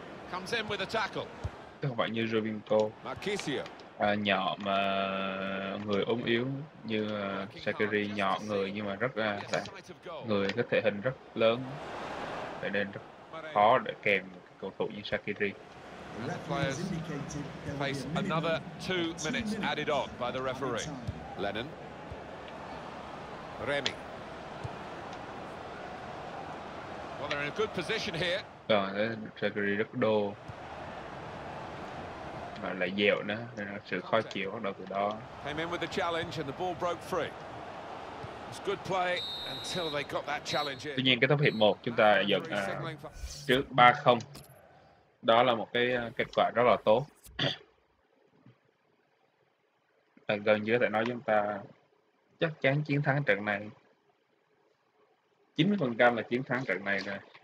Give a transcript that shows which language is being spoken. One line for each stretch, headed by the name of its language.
Vietnamese: Không phải như Jovinko, nhỏ mà người ốm yếu như Sakiri, nhỏ người nhưng mà rất là người có thể hình rất lớn, vậy nên rất khó để kèm cầu thủ như Sakiri.
English: players face another 2 minutes added on by the referee. Lennon. Remy. Well, they're in a good position here.
Vietnamese: Rồi, đấy, Gregory rất đô. Mà lại dẻo nữa, nên là sự khó chịu bắt đầu từ đó.
English: Came in with the challenge and the ball broke free. It's good play until they got that challenge in.
Vietnamese: Tuy nhiên kết thúc hiệp 1 chúng ta dẫn trước 3-0. Đó là một cái kết quả rất là tốt. Và gần như có thể nói chúng ta chắc chắn chiến thắng trận này. 90% là chiến thắng trận này rồi.